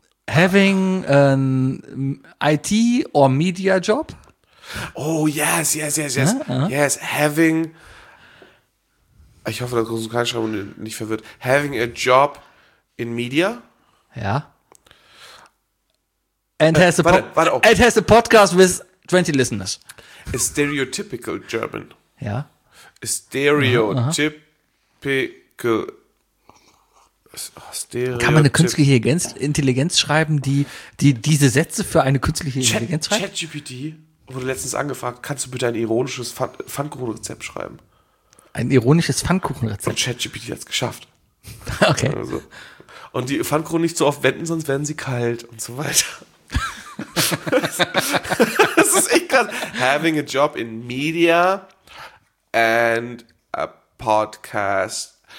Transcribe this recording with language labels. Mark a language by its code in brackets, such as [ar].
[en] Having an IT or media job. Oh, yes. Yes, having. [de] Ich hoffe, dass du keine Schreibung nicht verwirrt. [en] Having a job. In Media? [de] Ja. [en] And has a podcast with 20 listeners. A stereotypical German. [de] Ja. [en] A stereotypical. [de] Kann man eine künstliche Intelligenz schreiben, die diese Sätze für eine künstliche Intelligenz schreibt? ChatGPT wurde letztens angefragt, kannst du bitte ein ironisches Pfannkuchenrezept schreiben? Ein ironisches Pfannkuchenrezept? Und ChatGPT hat es geschafft. Okay. Also. Und die Pfannkuchen nicht so oft wenden, sonst werden sie kalt und so weiter. Das ist echt krass. [en] Having a job in media and a podcast.